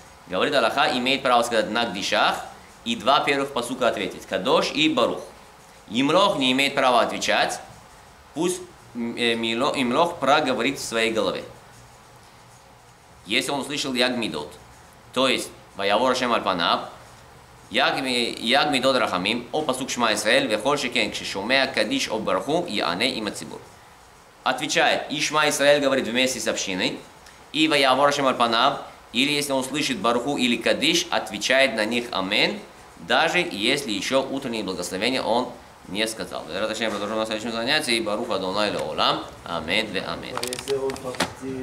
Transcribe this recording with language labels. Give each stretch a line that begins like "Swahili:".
Russian: Говорит Аллаха, имеет право сказать на гдешах и два первых пасука ответить. Кадош и барух. Имрох не имеет права отвечать. Пусть имлох проговорит в своей голове. Если он услышал ягмидот, то есть ваявор ашем альпанав,
Hebrew: יג מידות רחמים, או פסוק שמע ישראל, וכל שכן, כששומע קדיש או ברכו, יענה עם הציבור.
Russian: Отвечает, и шма Исраэль говорит вместе с общиной, и во явор шем аль панав, или если он слышит барху или кадиш, отвечает на них амен, даже если еще утренние благословения он не сказал. Продолжим на следующем занятии,
Hebrew: баруха донай ле олам,
Russian: амен ве амен.